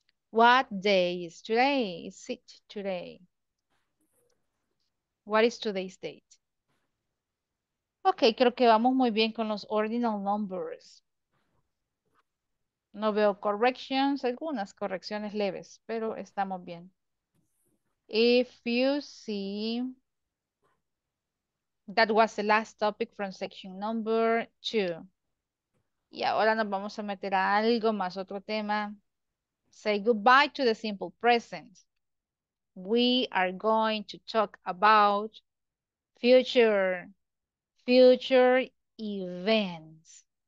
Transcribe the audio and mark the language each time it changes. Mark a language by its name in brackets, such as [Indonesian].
[English] What day is today? Is it today? What is today's date? [Spanish] Ok, creo que vamos muy bien con los [English] ordinal numbers. [Spanish] No veo [English] corrections, [Spanish] algunas correcciones leves, pero estamos bien. [English] If you see, that was the last topic from section number two. [Spanish] Y ahora nos vamos a meter a algo más, otro tema. [English] Say goodbye to the simple present. We are going to talk about future events.